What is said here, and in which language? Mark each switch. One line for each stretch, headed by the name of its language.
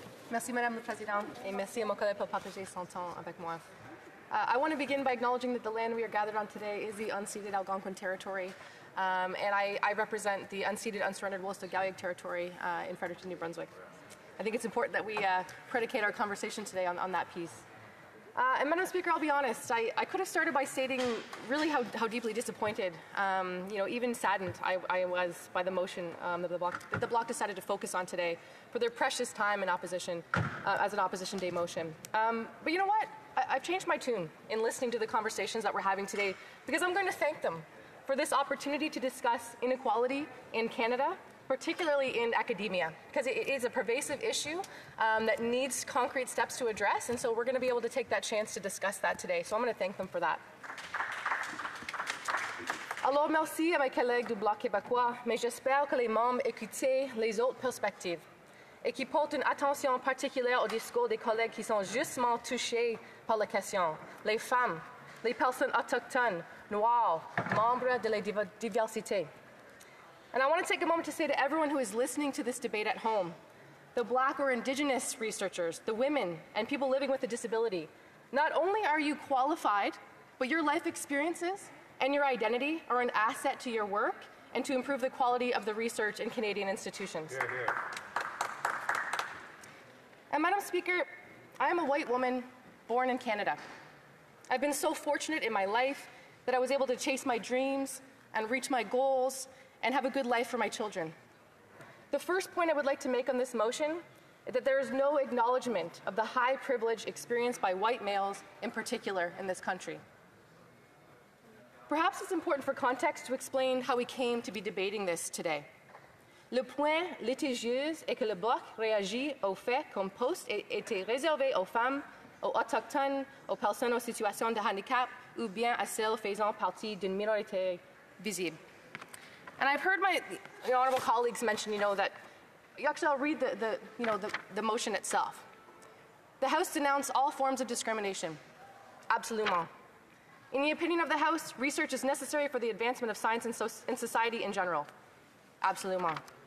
French: Merci, Madame la Présidente, et merci à mon collègue pour partager son temps avec moi.
English: I want to begin by acknowledging that the land we are gathered on today is the unceded Algonquin territory, and I represent the unceded, unsurrendered Wolastoqiyik territory in Fredericton, New Brunswick. I think it's important that we predicate our conversation today on that piece. And Madam Speaker, I'll be honest, I could have started by stating really how deeply disappointed, you know, even saddened I was by the motion that the Bloc decided to focus on today for their precious time in opposition as an Opposition Day motion. But you know what? I've changed my tune in listening to the conversations that we're having today because I'm going to thank them for this opportunity to discuss inequality in Canada, particularly in academia, because it is a pervasive issue that needs concrete steps to address, and so we're going to be able to take that chance to discuss that today. So I'm going to thank them for that.
French: Alors, merci à mes collègues du Bloc québécois, mais j'espère que les membres écoutent les autres perspectives et qui portent une attention particulière au discours des collègues qui sont justement touchés par la question. Les femmes, les personnes autochtones, noires, membres de la diversité.
English: And I want to take a moment to say to everyone who is listening to this debate at home, the Black or Indigenous researchers, the women, and people living with a disability, not only are you qualified, but your life experiences and your identity are an asset to your work and to improve the quality of the research in Canadian institutions. Yeah. And Madam Speaker, I am a white woman born in Canada. I've been so fortunate in my life that I was able to chase my dreams and reach my goals and have a good life for my children. The first point I would like to make on this motion is that there is no acknowledgement of the high privilege experienced by white males in particular in this country. Perhaps it's important for context to explain how we came to be debating this today.
French: Le point litigieux est que le Bloc réagit au fait qu'un poste était réservé aux femmes, aux autochtones, aux personnes en situation de handicap ou bien à celles faisant partie d'une minorité visible.
English: And I've heard my honourable colleagues mention, you know, that actually I'll read the motion itself. The House denounced all forms of discrimination.
French: Absolument.
English: In the opinion of the House, research is necessary for the advancement of science and society in general.
French: Absolument.